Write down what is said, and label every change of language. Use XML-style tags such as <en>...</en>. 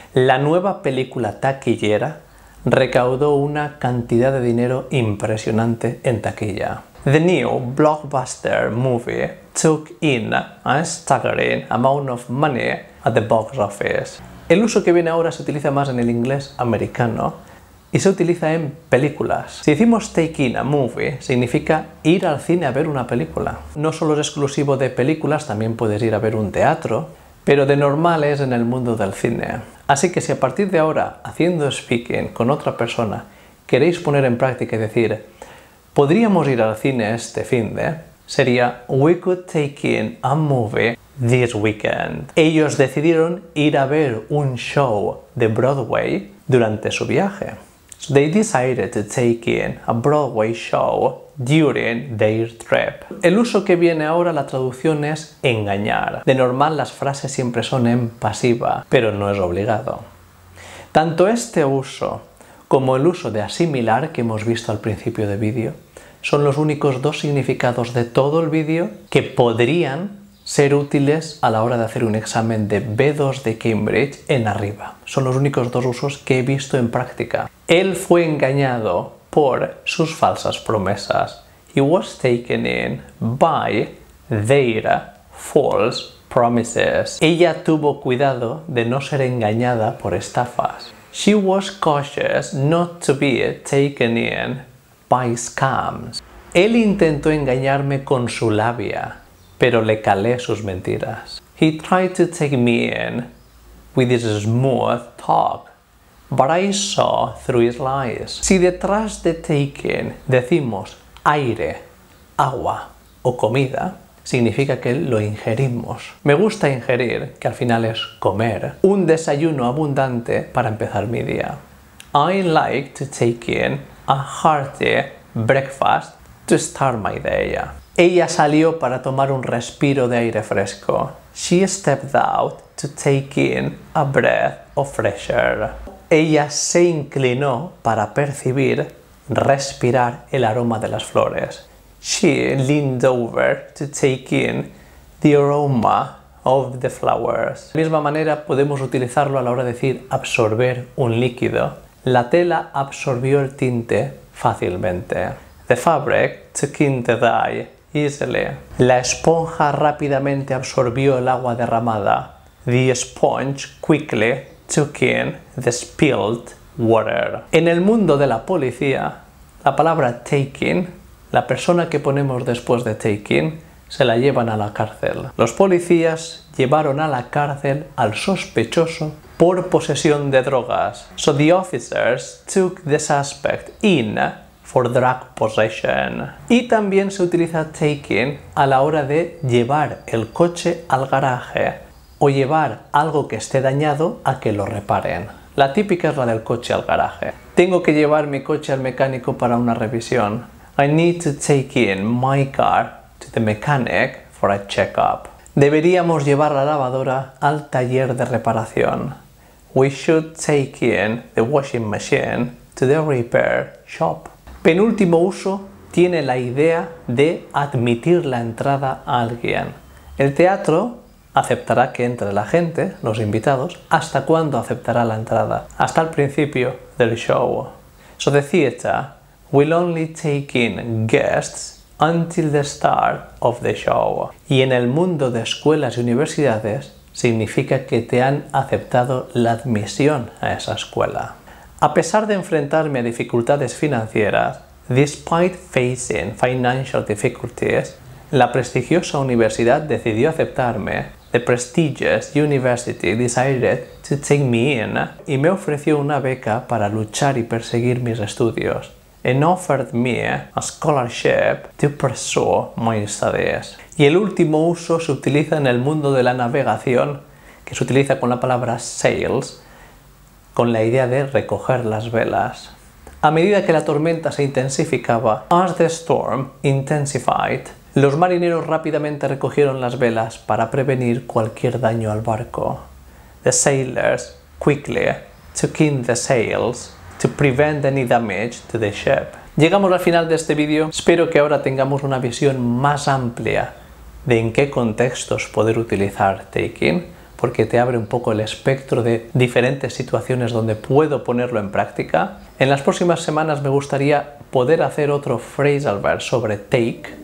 <es>La nueva película taquillera recaudó una cantidad de dinero impresionante en taquilla.</es> <en>The new blockbuster movie took in a staggering amount of money at the box office.</en> <es>El uso que viene ahora se utiliza más en el inglés americano y se utiliza en películas. Si decimos</es> <en>take in a movie,</en> <es>significa ir al cine a ver una película. No solo es exclusivo de películas, también puedes ir a ver un teatro, pero de normal es en el mundo del cine. Así que si a partir de ahora, haciendo speaking con otra persona, queréis poner en práctica y decir, podríamos ir al cine este finde, sería</es> <en>we could take in a movie this weekend.</en> <es>Ellos decidieron ir a ver un show de Broadway durante su viaje.</es> <en>So they decided to take in a Broadway show during their trip.</en> <es>El uso que viene ahora, la traducción es engañar. De normal las frases siempre son en pasiva, pero no es obligado. Tanto este uso como el uso de asimilar que hemos visto al principio de vídeo son los únicos dos significados de todo el vídeo que podrían ser útiles a la hora de hacer un examen de B2 de Cambridge en arriba. Son los únicos dos usos que he visto en práctica. Él fue engañado por sus falsas promesas.</es> <en>He was taken in by their false promises.</en> <es>Ella tuvo cuidado de no ser engañada por estafas.</es> <en>She was cautious not to be taken in by scams.</en> <es>Él intentó engañarme con su labia, pero le calé sus mentiras.</es> <en>He tried to take me in with his smooth talk, but I saw through his lies.</en> <es>Si detrás de take in decimos aire, agua o comida, significa que lo ingerimos. Me gusta ingerir, que al final es comer, un desayuno abundante para empezar mi día.</es> <en>I like to take in a hearty breakfast to start my day.</en> <es>Ella salió para tomar un respiro de aire fresco.</es> <en>She stepped out to take in a breath of fresh air.</en> <es>Ella se inclinó para percibir, respirar el aroma de las flores.</es> <en>She leaned over to take in the aroma of the flowers.</en> <es>De la misma manera podemos utilizarlo a la hora de decir absorber un líquido. La tela absorbió el tinte fácilmente.</es> <en>The fabric took in the dye easily.</en> <es>La esponja rápidamente absorbió el agua derramada.</es> <en>The sponge quickly took in the spilled water.</en> <es>En el mundo de la policía, la palabra taking, la persona que ponemos después de taking, se la llevan a la cárcel. Los policías llevaron a la cárcel al sospechoso por posesión de drogas.</es> <en>So the officers took the suspect in for drug possession.</en> <es>Y también se utiliza taking a la hora de llevar el coche al garaje o llevar algo que esté dañado a que lo reparen. La típica es la del coche al garaje. Tengo que llevar mi coche al mecánico para una revisión.</es> <en>I need to take in my car to the mechanic for a checkup.</en> <es>Deberíamos llevar la lavadora al taller de reparación.</es> <en>We should take in the washing machine to the repair shop.</en> <es>Penúltimo uso tiene la idea de admitir la entrada a alguien. El teatro aceptará que entre la gente, los invitados. ¿Hasta cuándo aceptará la entrada? Hasta el principio del show.</es> <en>So the theater will only take in guests until the start of the show.</en> <es>Y en el mundo de escuelas y universidades significa que te han aceptado la admisión a esa escuela. A pesar de enfrentarme a dificultades financieras,</es> <en>despite facing financial difficulties,</en> <es>la prestigiosa universidad decidió aceptarme.</es> <en>The prestigious university decided to take me in</en> <es>y me ofreció una beca para luchar y perseguir mis estudios.</es> <en>And offered me a scholarship to pursue my studies.</en> <es>Y el último uso se utiliza en el mundo de la navegación, que se utiliza con la palabra sails, con la idea de recoger las velas. A medida que la tormenta se intensificaba,</es> <en>as the storm intensified,</en> <es>los marineros rápidamente recogieron las velas para prevenir cualquier daño al barco.</es> <en>The sailors quickly took in the sails to prevent any damage to the ship.</en> <es>Llegamos al final de este vídeo. Espero que ahora tengamos una visión más amplia de en qué contextos poder utilizar taking, porque te abre un poco el espectro de diferentes situaciones donde puedo ponerlo en práctica. En las próximas semanas me gustaría poder hacer otro phrasal verb sobre take.</es>